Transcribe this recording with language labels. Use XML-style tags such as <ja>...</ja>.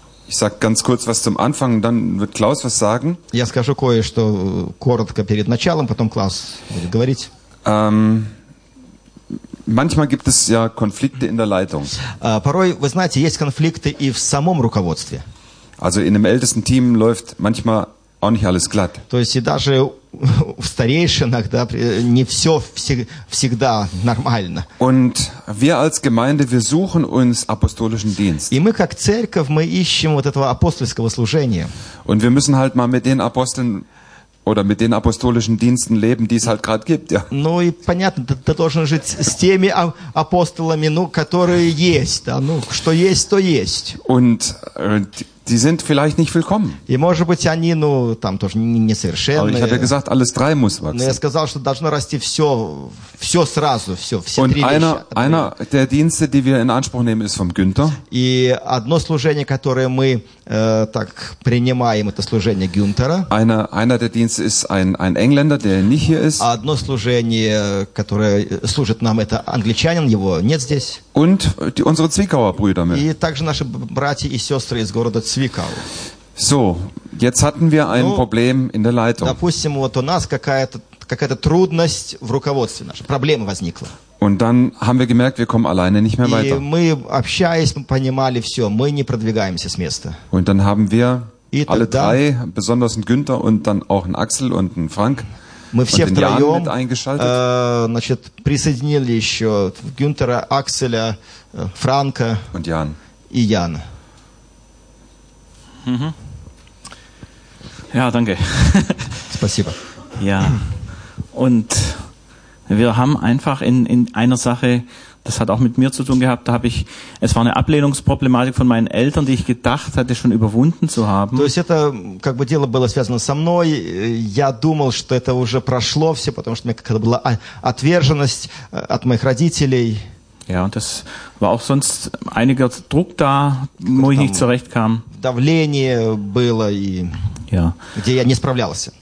<de>Ich sag ganz kurz was zum Anfang, dann wird Klaus was sagen.</de> <ru>Я скажу кое-что коротко перед началом, потом Клаус будет говорить.</ru> <de>Manchmal gibt es ja Konflikte in der Leitung.</de> <ru>Порой, вы знаете, есть конфликты и в самом руководстве.</ru> <de>Also in dem ältesten Team läuft manchmal auch nicht alles glatt.</de> <ru>То есть и даже в старейшинах, да, не все всегда нормально.</ru> <de>Und wir als Gemeinde, wir suchen uns apostolischen Dienst.</de> <ru>И мы как церковь, мы ищем вот этого апостольского служения.</ru> <de>Und wir müssen halt mal mit den Aposteln oder mit den apostolischen Diensten leben, die es halt gerade gibt, ja.</de> <ru>Ну и понятно, ты должен жить с теми апостолами, которые есть, да, что есть, то есть.</ru> <de>Und die sind vielleicht nicht willkommen.</de> <ru>И может быть они, там тоже не совершенны.</ru> <de>Aber ich habe ja gesagt, alles drei muss wachsen.</de> <ru>Но я сказал, что должно расти все сразу, все три вещи.</ru> <de>Und einer der Dienste, die wir in Anspruch nehmen, ist vom Günther.</de> <ru>И одно служение, которое мы так принимаем, это служение Гюнтера.</ru> <de>Einer der Dienste ist ein Engländer, der nicht hier ist.</de> <ru>Одно служение, которое служит нам, это англичанин, его нет здесь.</ru> <de>Und unsere Zwickauer Brüder.</de> <ru>И также наши братья и сестры из города Цвикау.</ru> <de>So, jetzt hatten wir ein Problem in der Leitung.</de> <ru>Допустим, у нас какая-то трудность в руководстве нашем, проблема возникла.</ru> <de>Und dann haben wir gemerkt, wir kommen alleine nicht mehr weiter.</de> <ru>И мы, общаясь, мы понимали все, мы не продвигаемся с места.</ru> <de>Und dann haben wir alle drei, besonders ein Günther und dann auch ein Axel und ein Frank,</de> <ru>мы все</ru> <de>und</de> <ru>втроем,</ru> <de>den Jan mit eingeschaltet.</de> <ru>Присоединили еще Гюнтера, Акселя, Франка</ru> <de>und Jan.</de> <ru>И Яна.</ru> <de>Ja, danke.</de> <ru>Спасибо.</ru> <de>Ja, und wir haben einfach in einer Sache, das hat auch mit mir zu tun gehabt, es war eine Ablehnungsproblematik von meinen Eltern, die ich gedacht hatte, schon überwunden zu haben.</de> <ru>То есть это как бы дело было связано со мной, я думал, что это уже прошло все, потому что у меня какая-то была отверженность от моих родителей.</ru> <de>Ja, und das war auch sonst einiger Druck da, wo ich nicht zurechtkam.</de> <ru>Давление было и где я не справлялся.</ru>